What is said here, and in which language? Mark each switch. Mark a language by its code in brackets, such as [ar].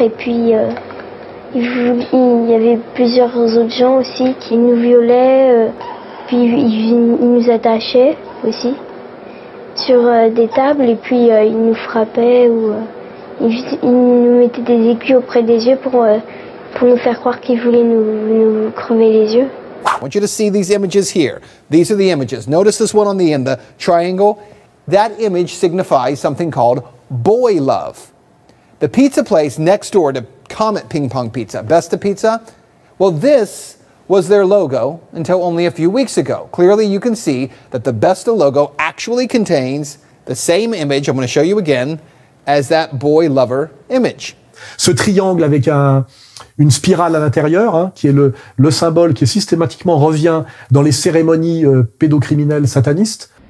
[fr] Et puis il y avait plusieurs autres gens aussi qui nous violaient. Puis ils nous attachaient aussi sur des tables et puis ils nous frappaient ou ils nous mettaient des aiguilles auprès des yeux pour nous faire croire qu'ils voulaient nous crever les yeux. [en] I want you to see these images here. These are the images. Notice this one on the end, the triangle. That image signifies something called boy love. The pizza place next door to Comet Ping Pong Pizza, Best of Pizza, well, this was their logo until only a few weeks ago. Clearly, you can see that the Best of logo actually contains the same image, I'm going to show you again, as that boy lover image. [fr] Ce triangle avec une spirale à l'intérieur, hein, qui est le symbole qui systématiquement revient dans les cérémonies pédocriminelles satanistes.